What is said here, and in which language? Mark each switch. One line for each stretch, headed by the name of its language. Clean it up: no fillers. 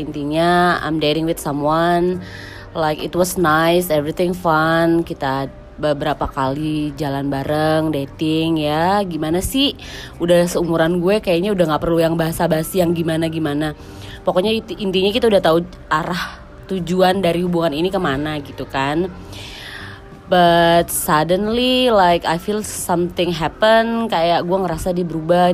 English: Intinya, I'm dating with someone. Like, it was nice, everything fun.
Indonesian: Kita beberapa kali jalan bareng, dating ya. Gimana sih? Udah seumuran gue kayaknya udah gak perlu yang basa-basi, yang gimana-gimana. Pokoknya intinya kita udah tahu arah tujuan dari hubungan ini kemana gitu kan.
English: But suddenly like I feel something happen,
Indonesian: kayak gue ngerasa dia berubah.